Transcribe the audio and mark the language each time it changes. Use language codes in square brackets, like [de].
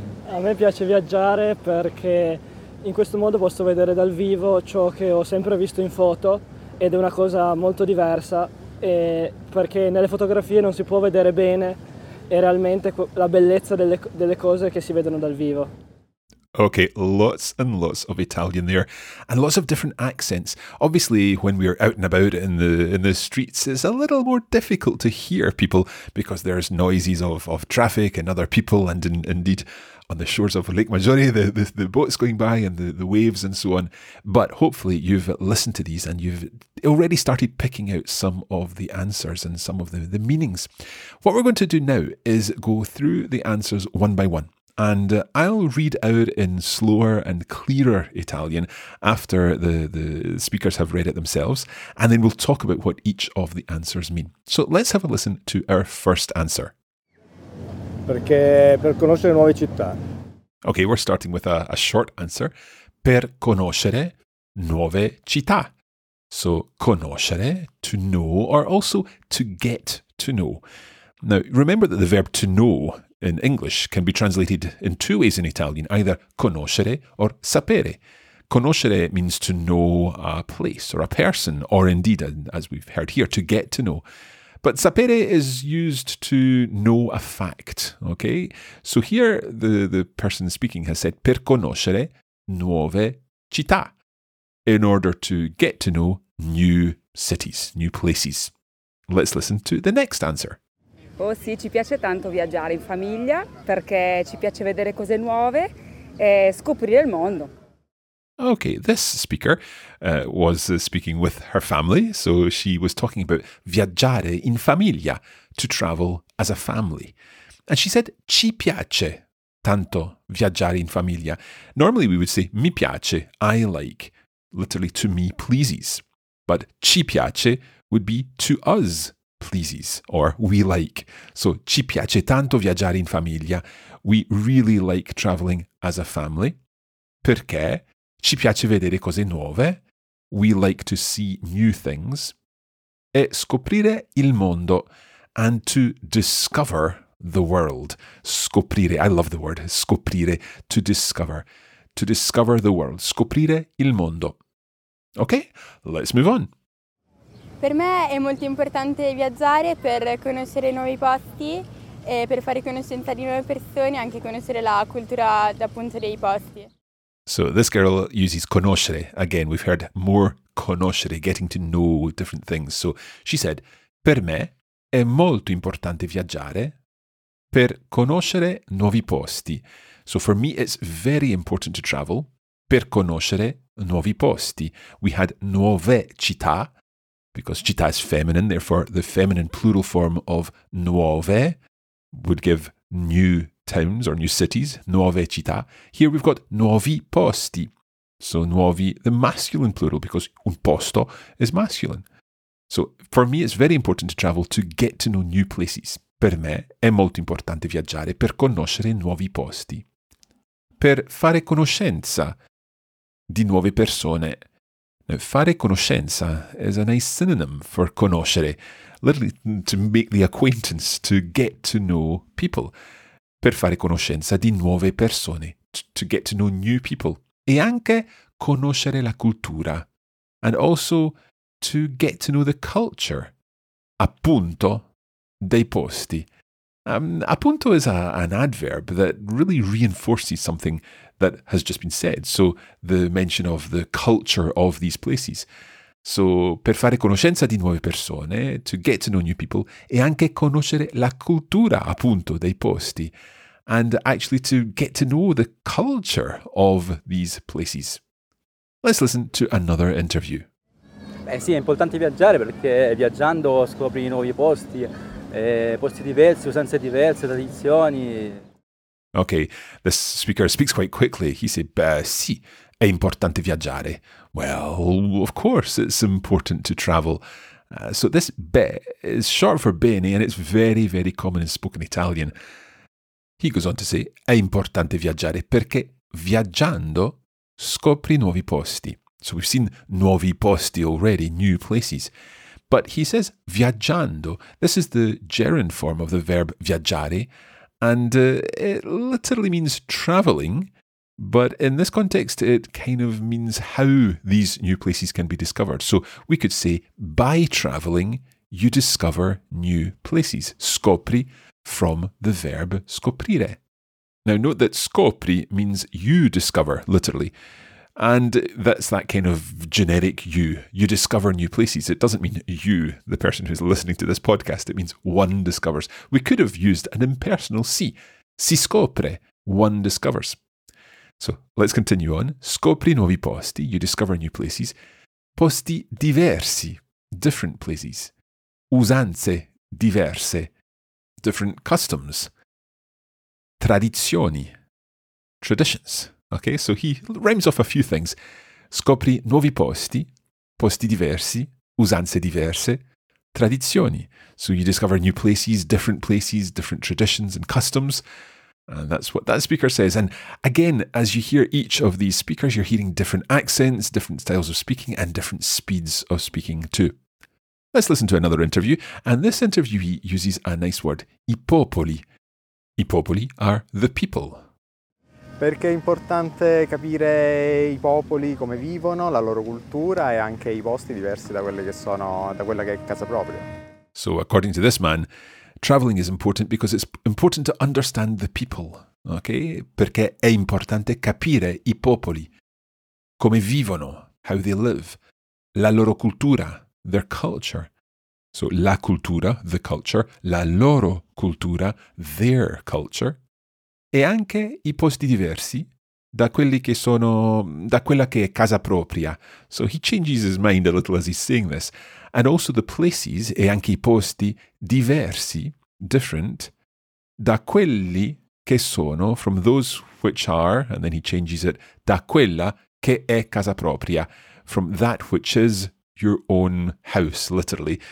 [it] A me piace viaggiare perché in questo modo posso vedere dal vivo ciò che ho sempre visto in foto ed è una cosa molto diversa, e perché nelle fotografie non si può vedere bene e realmente la bellezza delle cose che si vedono dal vivo. [en] Okay, lots and lots of Italian there, and lots of different accents. Obviously, when we're out and about in the streets, it's a little more difficult to hear people because there's noises of traffic and other people, and indeed on the shores of Lake Maggiore, the boats going by and the waves and so on. But hopefully you've listened to these and you've already started picking out some of the answers and some of the meanings. What we're going to do now is go through the answers one by one. And I'll read out in slower and clearer Italian after the speakers have read it themselves, and then we'll talk about what each of the answers mean. So let's have a listen to our first answer. [it] Perché per conoscere nuove città. [en] Okay, we're starting with a short answer. [it] Per conoscere nuove città. [en] So conoscere, to know, or also to get to know. Now, remember that the verb to know in English can be translated in two ways in Italian, either conoscere or sapere. Conoscere means to know a place or a person, or indeed, as we've heard here, to get to know. But sapere is used to know a fact, okay? So here the person speaking has said, [it] per conoscere nuove città, [en] in order to get to know new cities, new places. Let's listen to the next answer. [it] Oh sì, ci piace tanto viaggiare in famiglia perché ci piace vedere cose nuove e scoprire il mondo. [en] Okay, this speaker was speaking with her family, so she was talking about [it] viaggiare in famiglia, [en] to travel as a family. And she said, [it] ci piace tanto viaggiare in famiglia. [en] Normally we would say, [it] mi piace, [en] I like, literally to me pleases. But [it] ci piace [en] would be to us pleases, or we like. [it] So ci piace tanto viaggiare in famiglia. [en] We really like traveling as a family. [it] Perché? Ci piace vedere cose nuove. [en] We like to see new things. [it] E scoprire il mondo, [en] and to discover the world. Scoprire, I love the word, scoprire, to discover. To discover the world. [it] Scoprire il mondo. [en] Okay, let's move on. [it] Per me è molto importante viaggiare per conoscere nuovi posti e per fare conoscenza di nuove persone, anche conoscere la cultura appunto dei posti. [en] So this girl uses conoscere. Again, we've heard more conoscere, getting to know different things. So she said, [it] per me è molto importante viaggiare per conoscere nuovi posti. [en] So for me, it's very important to travel [it] per conoscere nuovi posti. [en] We had [it] nuove città, [en] because città is feminine, therefore the feminine plural form of nuove would give new towns or new cities, nuove città. Here we've got [it] nuovi posti. [en] So nuovi, the masculine plural, because [it] un posto [en] is masculine. So for me, it's very important to travel to get to know new places. [it] Per me è molto importante viaggiare per conoscere nuovi posti. Per fare conoscenza di nuove persone. [en] Now, [it] fare conoscenza [en] is a nice synonym for conoscere, literally to make the acquaintance, to get to know people. [it] Per fare conoscenza di nuove persone, [en] to get to know new people. [it] E anche conoscere la cultura, [en] and also to get to know the culture, [it] appunto, dei posti. [en] Appunto is an adverb that really reinforces something that has just been said, so the mention of the culture of these places. So, [it] per fare conoscenza di nuove persone, [en] to get to know new people, [it] e anche conoscere la cultura, appunto, dei posti, [en] and actually to get to know the culture of these places. Let's listen to another interview. [it] Beh, sì, è importante viaggiare perché viaggiando scopri nuovi posti, posti diversi, usanze diverse, tradizioni. [en] Okay, this speaker speaks quite quickly. He said, [it] beh, sì, è importante viaggiare. [en] Well, of course, it's important to travel. So this beh is short for bene, and it's very, very common in spoken Italian. He goes on to say, [it] è importante viaggiare perché viaggiando scopri nuovi posti. [en] So we've seen [it] nuovi posti [en] already, new places. But he says, viaggiando, this is the gerund form of the verb viaggiare, and it literally means travelling, but in this context, it kind of means how these new places can be discovered. So we could say, by travelling, you discover new places. Scopri, from the verb scoprire. Now note that scopri means you discover, literally. And that's that kind of generic you. You discover new places. It doesn't mean you, the person who's listening to this podcast. It means one discovers. We could have used an impersonal si. [it] Si scopre. [en] One discovers. So let's continue on. [it] Scopri nuovi posti. [en] You discover new places. [it] Posti diversi. [en] Different places. [it] Usanze diverse. [en] Different customs. [it] Tradizioni. [en] Traditions. Okay, so he rhymes off a few things. [it] Scopri nuovi posti, posti diversi, usanze diverse, tradizioni. [en] So you discover new places, different traditions and customs. And that's what that speaker says. And again, as you hear each of these speakers, you're hearing different accents, different styles of speaking, and different speeds of speaking too. Let's listen to another interview. And this interview uses a nice word, [it] i popoli. I popoli [en] are the people. [it] Perché è importante capire i popoli, come vivono, la loro cultura e anche i posti diversi da quelle che sono, da quella che è casa propria. [en] So, according to this man, traveling is important because it's important to understand the people, okay? [it] Perché è importante capire i popoli, come vivono, [en] how they live, [it] la loro cultura, [en] their culture. [it] So, la cultura, [en] the culture, [it] la loro cultura, [en] their culture, [it] e anche i posti diversi da quelli che sono, da quella che è casa propria. [en] So he changes his mind a little as he's saying this. And also the places, [it] e anche i posti diversi, [en] different, [it] da quelli che sono, [en] from those which are, and then he changes it, [it] da quella che è casa propria, [en] from that which is your own house, literally.